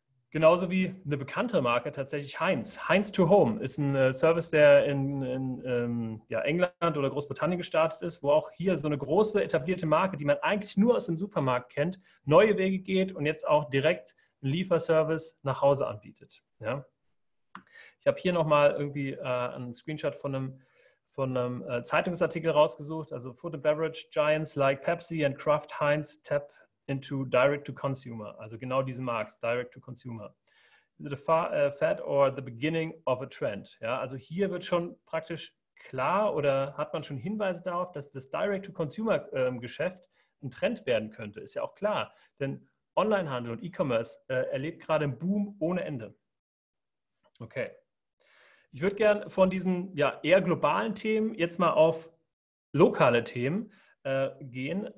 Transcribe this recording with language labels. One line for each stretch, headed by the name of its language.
German: Genauso wie eine bekannte Marke tatsächlich Heinz. Heinz to Home ist ein Service, der in England oder Großbritannien gestartet ist, wo auch hier so eine große etablierte Marke, die man eigentlich nur aus dem Supermarkt kennt, neue Wege geht und jetzt auch direkt Lieferservice nach Hause anbietet. Ja. Ich habe hier nochmal irgendwie einen Screenshot von einem Zeitungsartikel rausgesucht.
English: Also Food and Beverage Giants like Pepsi and Kraft Heinz tap into Direct-to-Consumer.
German: Also genau diesen Markt,
English: Direct-to-Consumer. Is it a fad or the beginning of a trend?
German: Ja, also hier wird schon praktisch klar oder hat man schon Hinweise darauf, dass das Direct-to-Consumer-Geschäft ein Trend werden könnte. Ist ja auch klar, denn Onlinehandel und E-Commerce erlebt gerade einen Boom ohne Ende. Okay. Ich würde gern von diesen ja, eher globalen Themen jetzt mal auf lokale Themen gehen.